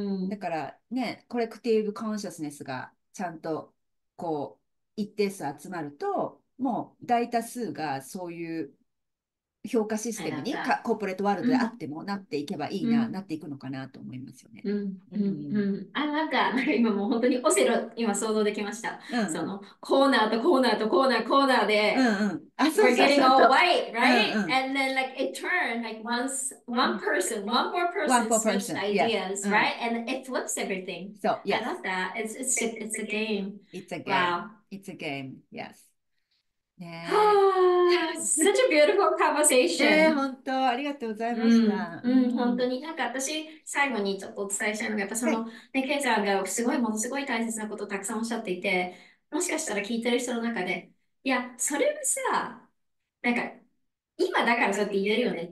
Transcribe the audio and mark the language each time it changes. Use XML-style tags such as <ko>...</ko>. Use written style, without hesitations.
<ja>だからね、コレクティブコンシャスネスがちゃんと、こう、一定数集まると、もう大多数がそういう、評価システムにかコーポレートワールドであってもなっていけばいいな、うん、なっていくのかなと思いますよね。うんうんうん、あ、なんか今もう本当にオセロ今想像できました、うん、そのコーナーとコーナーとコーナーコーナーで、うんうん、あ、そうそうそう、</ja> <en>We're getting all white, right? うん、うん、and then like it turned like once one person one more person switched ideas、yes. right、うん、and it flips everything so yeah I love that it's a game it's a game、wow. it's a game yes Such a beautiful conversation.</en> <ja>本当ありがとうございました。うんうん、本当になんか私最後にちょっとお伝えしたいのがやっぱその、はい、ね、ケイちゃんがすごいものすごい大切なことをたくさんおっしゃっていて、もしかしたら聞いてる人の中でいやそれはさなんか今だからそうやって言えるよね。</ja>